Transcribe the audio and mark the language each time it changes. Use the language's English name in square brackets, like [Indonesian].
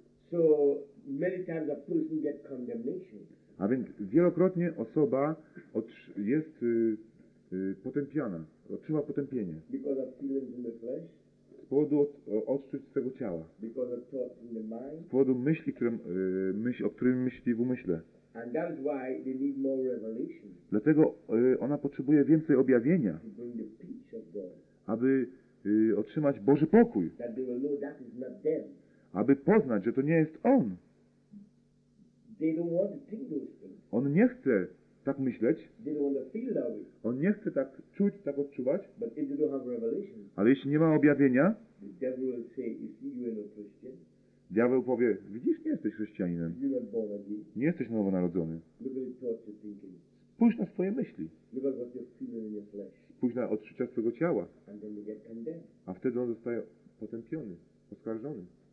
[English] So many times a person get condemnation. [Polish] A więc wielokrotnie osoba jest potępiana, otrzyma potępienie. [English] Because of feelings in the flesh. [Polish] Z powodu odczuć swego ciała. [English] Because of thoughts in the mind. [Polish] Z powodu myśli, o którym myśli w umyśle. [English] And that is why they need more revelation. [Polish] Dlatego ona potrzebuje więcej objawienia, [English] to bring the peace of God. [Polish] Aby otrzymać Boży pokój. [English] That they will know that is not them. [Polish] Aby poznać, że to nie jest On. [English] They don't want to think those things. [Polish] On nie chce tak myśleć. [English] They don't want to feel that way. [Polish] On nie chce tak czuć, tak odczuwać. [English] But if you don't have revelation, [Polish] ale jeśli nie ma objawienia, [English] the devil will say, you see, you are not Christian. [Polish] Diabeł powie, widzisz, nie jesteś chrześcijaninem. [English] You're not born again. [Polish] Nie jesteś nowonarodzony. [English] Look at the thoughts you're thinking. [Polish] Spójrz na swoje myśli. [English] Look at what you're feeling in your flesh. [Polish] Spójrz na odczucia swojego ciała. [English] And then you get condemned. [Polish] A wtedy on zostaje potępiony, oskarżony.